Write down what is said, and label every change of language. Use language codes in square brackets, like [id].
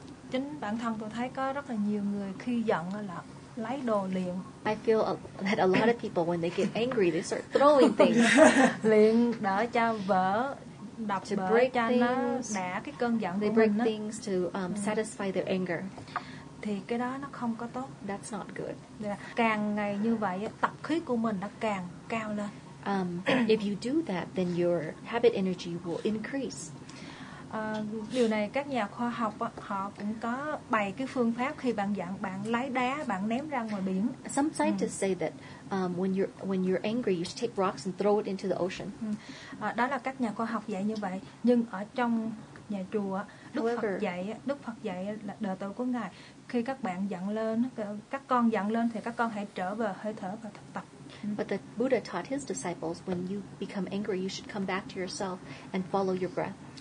[vi] Chính bản thân tôi thấy có rất là nhiều người khi giận là lấy đồ liền. [en] I feel that a lot of people when they get angry they start throwing things. [vi] Liền đỡ cho vỡ, đập bỡ cho nó đã cái cơn giận của [en] mình. They break things to satisfy their anger. [vi] Thì cái đó nó không có tốt. [en] That's not good. [vi] Càng ngày như vậy tập khí của mình nó càng cao lên. [en] If you do that then your habit energy will increase. [vi] Điều này các nhà khoa học họ cũng có bày cái phương pháp khi bạn giận bạn lấy đá bạn ném ra ngoài biển. [en] Some scientists say that when you're angry you should take rocks and throw it into the ocean. [vi] Đó là các nhà khoa học dạy như vậy, nhưng ở trong nhà chùa Đức Phật dạy là đời tu của ngài, khi các bạn giận lên, các con giận lên thì các con hãy trở về hơi thở và thực tập. [en] But the Buddha taught his disciples, when you become angry, you should come back to yourself and follow your breath.